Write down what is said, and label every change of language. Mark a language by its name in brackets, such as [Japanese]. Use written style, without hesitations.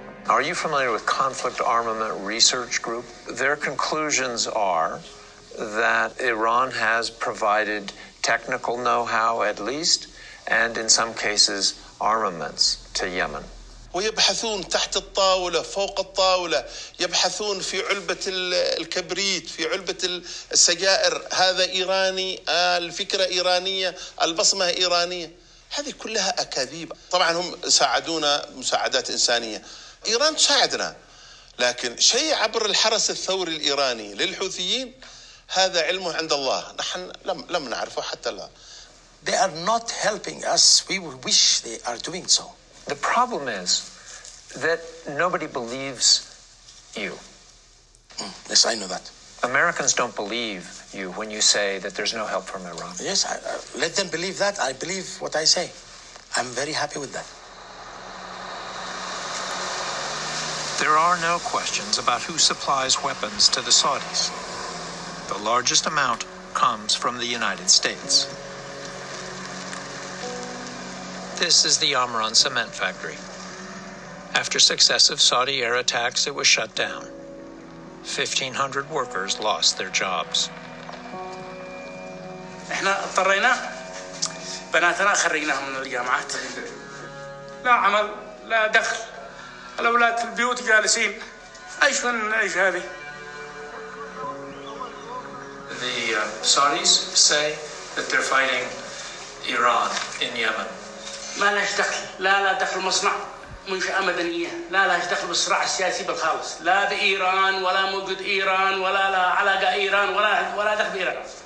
[English] Are you familiar with Conflict Armament Research Group? Their conclusions are that Iran has provided technical know-how at least, and in some cases, armaments to Yemen. [Arabic] ويبحثون تحت الطاولة فوق الطاولة يبحثون في علبة الكبريت في علبة السجائر هذا إيراني الفكرة إيرانية البصمة إيرانية هذه كلها أكاذيب طبعا هم ساعدونا مساعدات إنسانية إيران تساعدنا لكن شيء عبر الحرس الثوري الإيراني للحوثيين هذا علمه عند الله نحن لم نعرفه حتى الآن [English] They are not helping us. We wish they are doing so. The problem is that nobody believes you. Yes, I know that. Americans don't believe you when you say that there's no help from Iran. Yes, let them believe that. I believe what I say. I'm very happy with that. There are no questions about who supplies weapons to the Saudis. The largest amount comes from the United States. This is the Amran cement factory. After successive Saudi air attacks, it was shut down. 1,500 workers lost their jobs. [Arabic] احنا اضطرينا بناتنا خرجناهم من الجامعات. لا عمل لا دخل. الاولاد في البيوت جالسين. ايش من ايش هذه؟ [English] The Saudis say that they're fighting Iran in Yemen. [Arabic] ما لهاش دخل لا لا دخل مصنع منشأة مدنية لا لهاش دخل بالصراع السياسي بالخالص لا بإيران ولا موجود إيران ولا لا علاقة إيران ولا دخل بإيران